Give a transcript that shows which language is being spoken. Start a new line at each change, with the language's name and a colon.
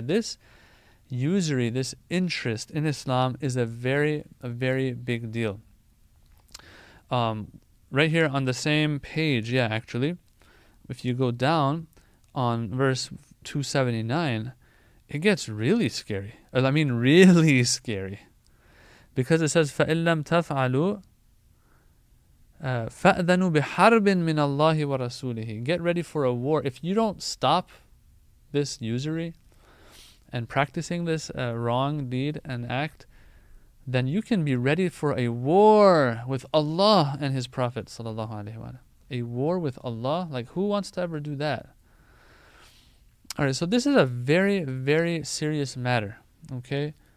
English: This usury, this interest in Islam is a very big deal. Right here on the same page, yeah, actually, if you go down on verse 279, it gets really scary. I mean, really scary. Because it says,
Arabic: فَإِلَّمْ تَفْعَلُوا فَأَذَنُوا بِحَرْبٍ مِنَ اللَّهِ وَرَسُولِهِ.
English: Get ready for a war. If you don't stop this usury and practicing this wrong deed and act, then you can be ready for a war with Allah and His Prophet sallallahu alaihi wasallam. A war with Allah? Like, who wants to ever do that? Alright, so this is a very, very serious matter, okay?